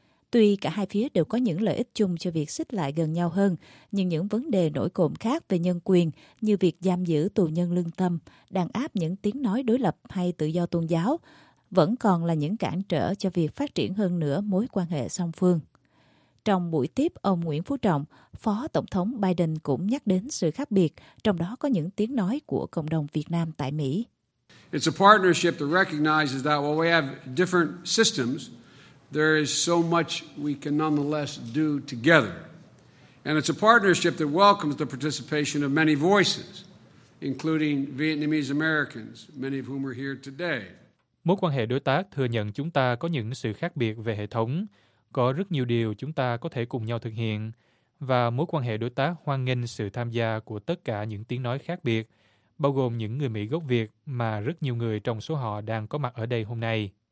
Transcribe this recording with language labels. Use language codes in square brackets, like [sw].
[vi] Tuy cả hai phía đều có những lợi ích chung cho việc xích lại gần nhau hơn, nhưng những vấn đề nổi cộm khác về nhân quyền như việc giam giữ tù nhân lương tâm, đàn áp những tiếng nói đối lập hay tự do tôn giáo vẫn còn là những cản trở cho việc phát triển hơn nữa mối quan hệ song phương. Trong buổi tiếp ông Nguyễn Phú Trọng, Phó Tổng thống Biden cũng nhắc đến sự khác biệt, trong đó có những tiếng nói của cộng đồng Việt Nam tại Mỹ. [en] It's a partnership that recognizes that while we have different systems, there is so much we can nonetheless do together. And it's a partnership that welcomes the participation of many voices, including Vietnamese Americans, many of whom are here today. [vi] Mối quan hệ đối tác thừa nhận chúng ta có những sự khác biệt về hệ thống, có rất nhiều điều chúng ta có thể cùng nhau thực hiện, và mối quan hệ đối tác hoan nghênh sự tham gia của tất cả những tiếng nói khác biệt, bao gồm những người Mỹ gốc Việt mà rất nhiều người trong số họ đang có mặt ở đây hôm nay.